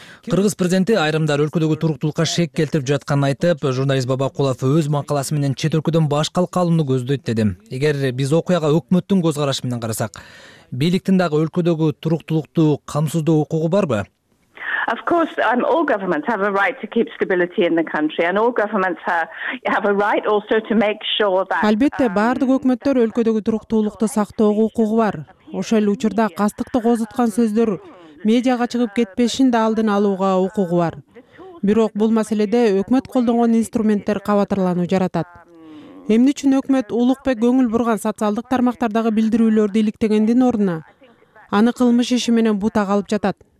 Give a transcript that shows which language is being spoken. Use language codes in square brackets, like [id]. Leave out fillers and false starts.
[ky] Кыргыз президенти айрымдар өлкөдөгү туруктулукка шек келтирип жатканын айтып, журналист Бабакулов өз макаласы менен чет өлкөдөн баш калкка алууну көздөйт деди. Эгер биз окуяга өкмөттүн көз карашы менен карасак, бийликтин дагы өлкөдөгү туруктулукту камсыздоо укугу барбы? [en] Of course, all governments have a right to keep stability in the country, and all governments have a right also to make sure that. [ky] Албетте, бардык өкмөттөр өлкөдөгү туруктуулукту сактоого укугу бар. Ошол эле учурда кастыкты козуткан сөздөр медиага чыгып кетпешин да алдын алууга укугу бар. Бирок бул маселеде өкмөт колдонгон инструменттер кабатырлануу жаратат. Эмне үчүн өкмөт Улукбек көңүл бурган социалдык тармактардагы билдирүүлөрдү иликтегендин ордуна аны кылмыш иши менен бутага алып жатат?